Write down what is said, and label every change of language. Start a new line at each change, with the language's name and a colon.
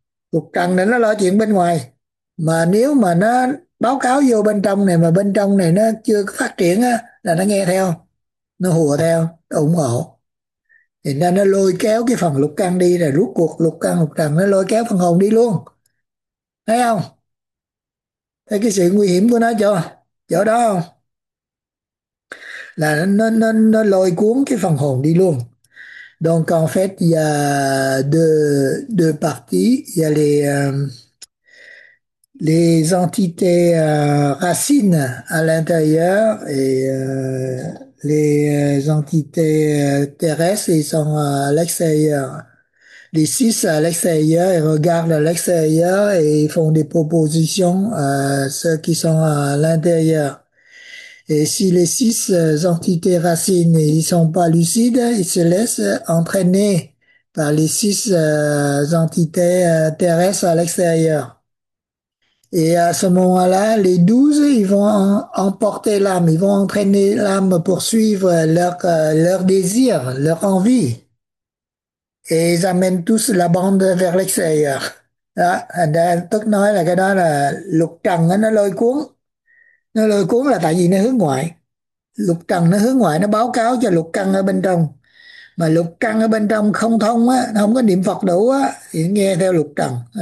Vietnamese: Lục trần này nó lo chuyện bên ngoài, mà nếu mà nó báo cáo vô bên trong này mà bên trong này nó chưa phát triển á là nó nghe theo, nó hùa theo, nó ủng hộ, thì nên nó lôi kéo cái phần lục căn đi, rồi rút cuộc lục căn lục trần nó lôi kéo phần hồn đi luôn, thấy không, thấy cái sự nguy hiểm của nó chưa, chỗ đó không, là nó lôi cuốn cái phần hồn đi luôn.
French: Donc en fait il y a deux parties, il y a les entités racines à l'intérieur et les entités terrestres, ils sont à l'extérieur. Les six à l'extérieur, ils regardent à l'extérieur et ils font des propositions à ceux qui sont à l'intérieur. Et si les six entités racines, ils sont pas lucides, ils se laissent entraîner par les six entités terrestres à l'extérieur. Et à ce moment-là, les douze, ils vont emporter l'âme, ils vont entraîner l'âme pour suivre leur désir, leur envie. Et ils amènent tous la bande vers l'extérieur.
Vietnamese: Là, tôi nói là cái đó là lục trần nó lôi cuốn. Nó lôi cuốn là tại vì nó hướng ngoại. Lục trần nó hướng ngoại, nó báo cáo cho lục căn ở bên trong. Mà lục căn ở bên trong không thông á, nó không có niệm Phật đủ á, thì nghe theo lục trần.